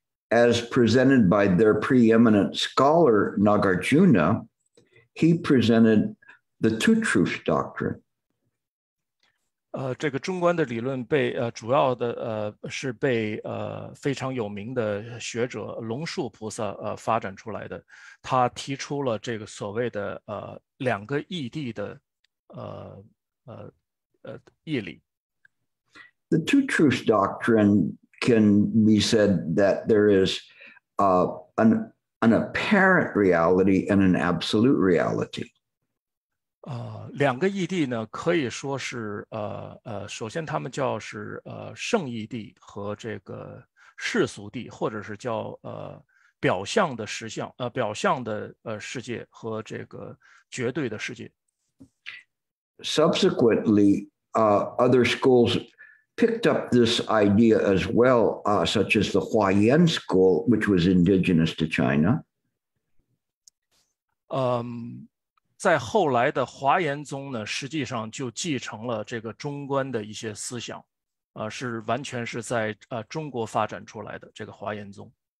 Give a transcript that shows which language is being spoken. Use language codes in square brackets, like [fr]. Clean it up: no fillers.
[en] As presented by their preeminent scholar Nagarjuna, he presented the two truths doctrine. [zh] 这个中观的理论被主要的是被非常有名的学者龙树菩萨发展出来的，他提出了这个所谓的两个义谛的义理。 [en] The two truths doctrine can be said that there is an apparent reality and an absolute reality. [zh] 两个义谛呢可以说是首先他们叫是圣义谛和这个世俗谛，或者是叫表象的实相表象的世界和这个绝对的世界。 [en] Subsequently, other schools picked up this idea as well, such as the Hua Yan school, which was indigenous to China. [zh] 在后来的华严宗呢，实际上就继承了这个中观的一些思想，是完全是在中国发展出来的这个华严宗。